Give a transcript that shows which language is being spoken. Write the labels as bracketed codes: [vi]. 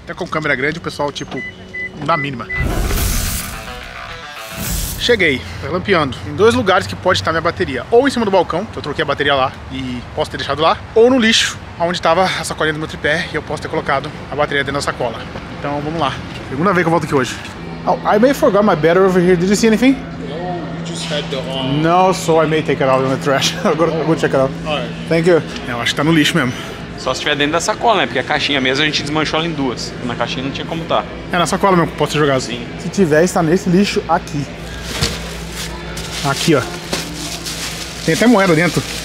[pt] Até com câmera grande o pessoal, tipo, não dá mínima. Cheguei, lampeando. Em dois lugares que pode estar minha bateria. Ou em cima do balcão, que eu troquei a bateria lá e posso ter deixado lá. Ou no lixo, onde tava a sacolinha do meu tripé e eu posso ter colocado a bateria dentro da sacola. Então vamos lá. Segunda vez que eu volto aqui hoje. [en] Oh, I may forgot my battery over here. Did you see anything? No, you just had the No, so I may take it out of the trash. [pt] Agora eu vou [en] check it out. Alright. Thank you. [pt] É, eu acho que tá no lixo mesmo. Só se estiver dentro da sacola, né? Porque a caixinha mesmo a gente desmanchou ela em duas. Na caixinha não tinha como estar. É na sacola mesmo que posso jogar. Sim. Se tiver, está nesse lixo aqui. Aqui, ó. Tem até moeda dentro.